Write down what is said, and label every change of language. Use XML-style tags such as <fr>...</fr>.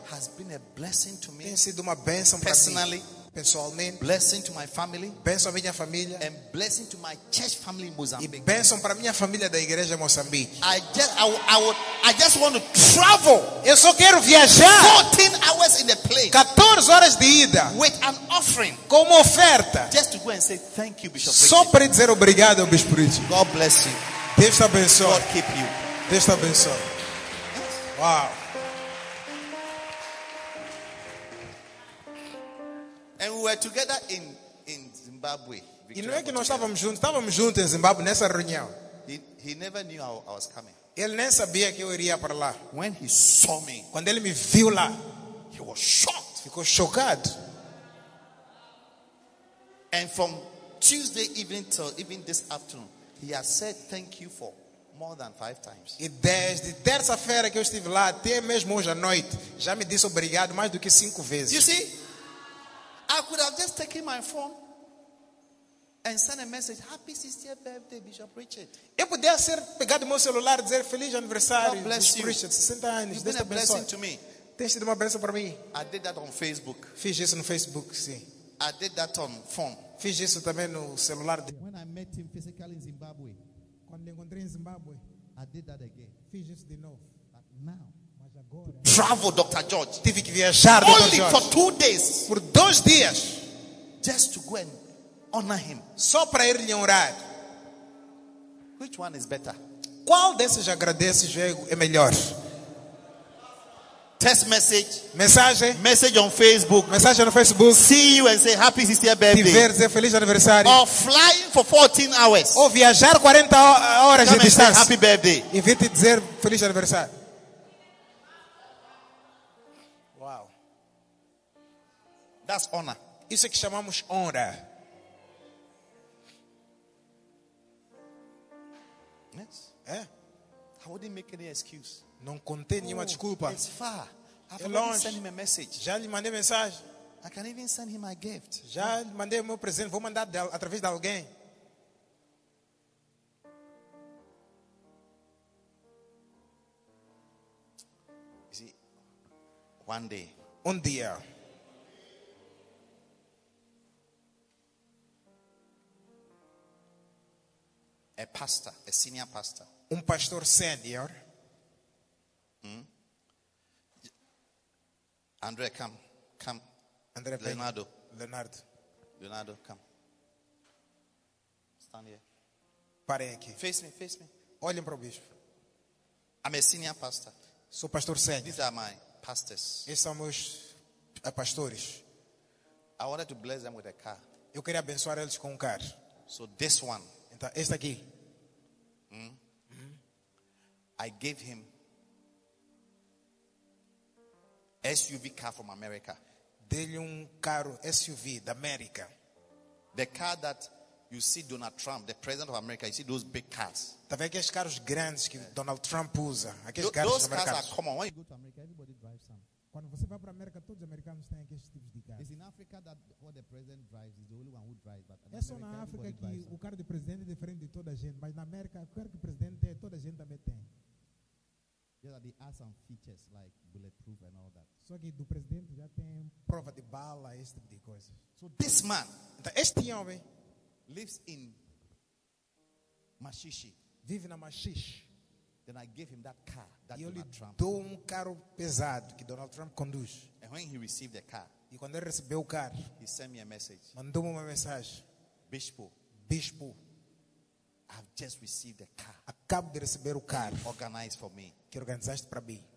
<en>has been a blessing to me.</en> <pt>Tem sido uma bênção</pt> <en>personally,</en> <pt>para mim. pessoalmente.</pt> <en>Blessing to my family.</en> <pt>Bênção à minha família.</pt> <en>And blessing to my church family in Mozambique.</en> <pt>E bênção para minha família da igreja em Moçambique.</pt> <en>I just want to travel.</en> <pt>Eu só quero viajar.</pt> <en>14 hours in the plane.</en> <pt>14 horas de ida.</pt> <en>With an offering.</en> <pt>Com uma oferta.</pt> <en>Just to go and say thank you, Bishop.</en> <pt>Só para dizer obrigado, Bishop Richie.</pt> <en>God bless you.</en> <pt>Deus te abençoe.</pt> <en>God keep you.</en> <pt>Deus te abençoe. Wow.</pt> <en>And we were together in Zimbabwe.</en> <pt>E não é que nós estávamos juntos, em Zimbabwe nessa reunião.</pt> <en>He never knew I was coming.</en> <pt>Ele nem sabia que eu iria para lá.</pt> <en>When he saw me,</en> <pt>quando ele me viu lá,</pt> <en>he was shocked.</en> <pt>Ficou chocado.</pt> <en>And from Tuesday evening till even this afternoon, he has said thank you for more than 5 times.</en> <pt>E desde terça-feira que eu estive lá até mesmo hoje à noite, já me disse obrigado mais do que 5 vezes.</pt> <en>You see? I could have just taken my phone and sent a message, happy 60th birthday, Bishop Richard.</en> <pt>Eu poderia ter pegado meu celular e dizer feliz aniversário,</pt> <en>God bless Bishop you.</en> <pt>Richard, 60 anos.</pt> <en>You've been a blessing to me.</en> <pt>Tem sido uma bênção para mim.</pt> <en>I did that on Facebook.</en> <pt>Fiz isso no Facebook, sim.</pt> <en>I did that on phone.</en> <pt>Fiz isso também no celular.</pt> <en>When I met him physically in Zimbabwe,</en> <pt>quando me encontrei em Zimbabwe,</pt> <en>I did that again.</en> <pt>Fiz isso de novo.</pt> <en>But now, travel, Dr. George.</en> <pt>Tive que viajar, Dr.</pt> <en>Only George. For 2 days.</en> <pt>Por 2 dias.</pt> <en>Just to go and honor him.</en> <pt>Só para ir lhe honrar.</pt> <en>Which one is better?</en> <pt>Qual desses agradeces é melhor?</pt> <en>Text message.</en> <pt>Mensagem.</pt> <en>Message on Facebook.</en> <pt>Mensagem no Facebook.</pt> <en>See you and say happy 60th birthday.</en> <pt>Te ver, dizer feliz aniversário.</pt> <en>Or flying for 14 hours.</en> <pt>Ou viajar 40 horas</pt> <en>come</en> <pt>de distância.</pt> <en>Happy birthday.</en> <pt>E vir te dizer feliz aniversário.</pt> <en>That's honor.</en> <pt>Isso é que chamamos honra.</pt> <en>Yes.</en> <pt>É?</pt> <en>I wouldn't make any excuse.</en> <pt>Não contém nenhuma desculpa.</pt> <en>It's far. I've already sent him a message.</en> <pt>Já lhe mandei mensagem.</pt> <en>I can even send him my gift.</en> <pt>Já lhe mandei meu presente. Vou mandar através de alguém.</pt> <en>Is it one day?</en> <pt>Um dia.</pt> <en>A pastor, a senior pastor.</en> <pt>Pastor senior.</pt> <en>Andre, come. Andre, Leonardo. Leonardo. Leonardo, come. Stand here.</en> <pt>Pare aqui.</pt> <en>Face me.</en> <pt>Olhem para o bispo.</pt> <en>I'm a senior pastor.</en> <pt>Sou pastor senior.</pt> <en>These are my pastors.</en> <pt>Esses são meus pastores.</pt> <en>I wanted to bless them with a car.</en> <pt>Eu queria abençoar eles com carro.</pt> <en>So this one.</en> <pt>Então, este aqui.</pt> <en>I gave him SUV car from America.</en> <pt>Dei-lhe carro SUV da América.</pt> <en>The car that you see Donald Trump, the president of America, you see those big cars.</en> <pt>Tá vendo aqueles carros grandes que Donald Trump usa? Aqueles carros americanos.</pt> <en>Those cars are common. When you go to America, everybody drives some.</en> <pt>Quando você vai para a América, todos os americanos têm aqueles tipos de carros.</pt> <en>It's in Africa that what the president drives is the only one who drives. But</en> <pt>é só na África que o carro do presidente é diferente de toda a gente. Mas na América, o carro que o presidente tem, toda a gente também tem.</pt> <en>Yeah, they have some features like bulletproof and all that.</en> <pt>Só que do presidente já tem prova de bala, esse tipo de coisa.</pt> <en>So this man,</en> <pt>este homem,</pt> <en>lives in Mashishi.</en> <pt>Vive na Mashishi.</pt> <en>Then I gave him that car that</en> <pt>e eu lhe Trump dou carro pesado que Donald Trump conduz.</pt> <en>And when he received the car,</en> <pt>e quando ele recebeu o carro,</pt> <en>he sent me a message.</en> <pt>Mandou-me uma mensagem.</pt> <en>Bispo, I've just received the car.</en> <pt>Acabo de receber o carro.</pt> <en>Organized for me.</en> <pt>Que organizaste para mim.</pt>